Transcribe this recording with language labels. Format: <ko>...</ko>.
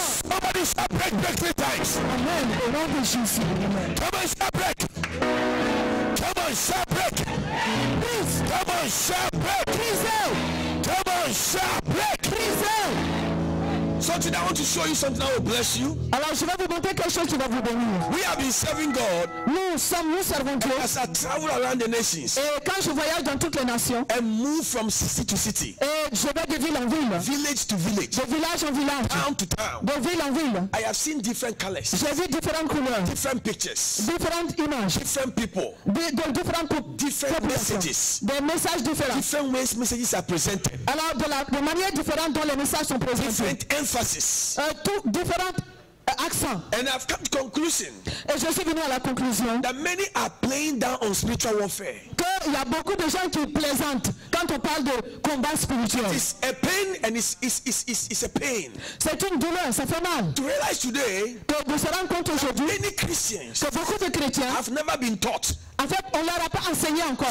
<en>Somebody shall break three times. Amen. Come on, shall break. Come on, shall break. Please. Come on, shall break. Please. Come on, shall break. Please. Something I want to show you, something that will bless you.</en> <fr>Alors, je vais vous montrer quelque chose qui va vous bénir.</fr> <en>We have been serving God.</en> <fr>Nous servons Dieu.</fr> <en>As I travel around the nations.</en> <fr>Et quand je voyage dans toutes les nations.</fr> <en>And move from city to city.</en> <fr>Et je vais de ville en ville.</fr> <en>Village to village.</en> <fr>De village en village.</fr> <en>Town to town.</en> <fr>De ville en ville.</fr> <en>I have seen different colors.</en> <fr>J'ai vu différentes couleurs.</fr> <en>Different pictures.</en> <fr>Différentes images.</fr> <en>Different people.</en> <fr>De différentes couples.</fr> <en>Different messages.</en> <fr>Des messages différents.</fr> <en>Different ways messages are presented.</en> <fr>Alors, de manière différente dont les messages sont présentés.</fr> <en>Different emphasis.</en> <fr>Tout différent. Accent.</fr> <en>And I've come to conclusion.</en> <fr>Et je suis venu à la conclusion.</fr> <en>That many are playing down on spiritual warfare.</en> <fr>Que il y a beaucoup de gens qui plaisantent quand on parle de combat spirituel.</fr> <en>It's a pain and it's a pain.</en> <fr>C'est une douleur, ça fait mal.</fr> <en>To realize today.</en> <fr>Que de se rendre compte aujourd'hui.</fr> <en>Many Christians.</en> <fr>Que beaucoup de chrétiens.</fr> <en>Have never been taught.</en> <fr>En fait, on leur a pas enseigné encore.</fr>